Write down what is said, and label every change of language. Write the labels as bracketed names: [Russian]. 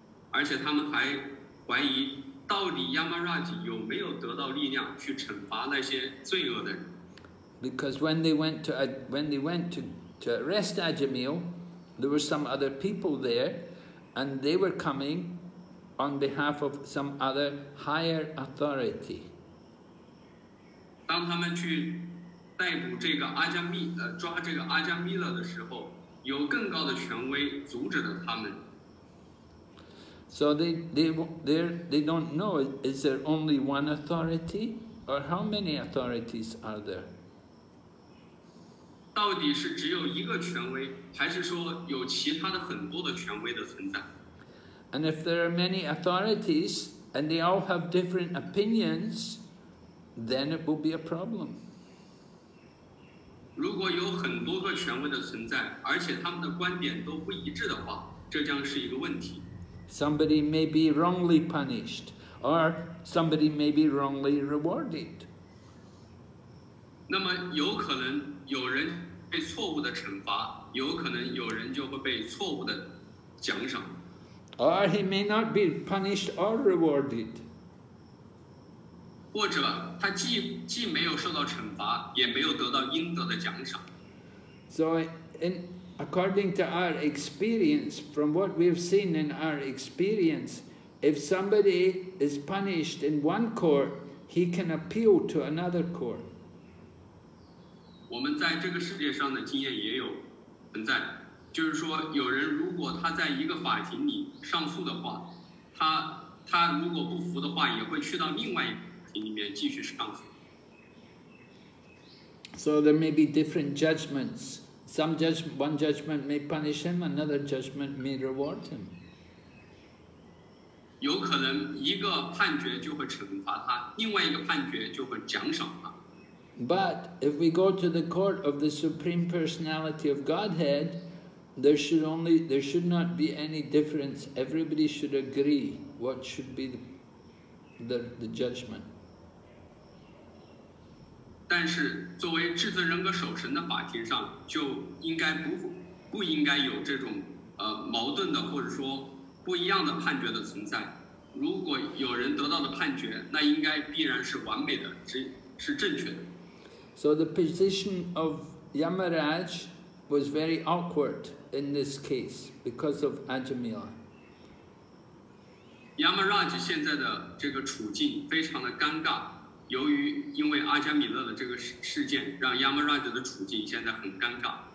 [Chinese] 而且他们还怀疑，到底 Yamaraj 有没有得到力量去惩罚那些罪恶的人。 [English] Because when they went to arrest Ajameel, there were some other people there, and they were coming on behalf of some other higher authority. [Chinese] 当他们去逮捕这个阿加密，抓这个阿加密勒的时候，有更高的权威阻止了他们。 [English] So they don't know, is there only one authority or how many authorities are there? [Chinese] 到底是只有一个权威，还是说有其他的很多的权威的存在？ [English] And if there are many authorities and they all have different opinions, then it will be a problem. [Chinese] 如果有很多个权威的存在，而且他们的观点都不一致的话，这将是一个问题。 [English] Somebody may be wrongly punished, or somebody may be wrongly rewarded. [Chinese] 那么有可能有人被错误的惩罚，有可能有人就会被错误的奖赏。 [English] Or he may not be punished or rewarded. [Chinese] 或者他既没有受到惩罚，也没有得到应得的奖赏。 [English] So according to our experience, from what we've seen in our experience, if somebody is punished in one court, he can appeal to another court. [Chinese] 我们在这个世界上的经验也有存在，就是说有人如果他在一个法庭里上诉的话，他如果不服的话，也会去到另外一个法庭里面继续上诉。 [English] So there may be different judgments. One judgment may punish him, another judgment may reward him. [Chinese] 有可能一个判决就会惩罚他，另外一个判决就会奖赏他。 [English] But if we go to the court of the Supreme Personality of Godhead, there should not be any difference. Everybody should agree what should be the judgment. [Chinese] 但是作为至尊人格守神的法庭上就应该不应该有这种矛盾的或者说不一样的判决的存在。如果有人得到的判决，那应该必然是完美的，是正确的。 [English] So the position of Yamaraj was very awkward in this case because of Ajamila. [Chinese] Yamaraj 现在的这个处境非常的尴尬。因为阿加米勒的这个事件让 Yamaraj 的处境现在很尴尬。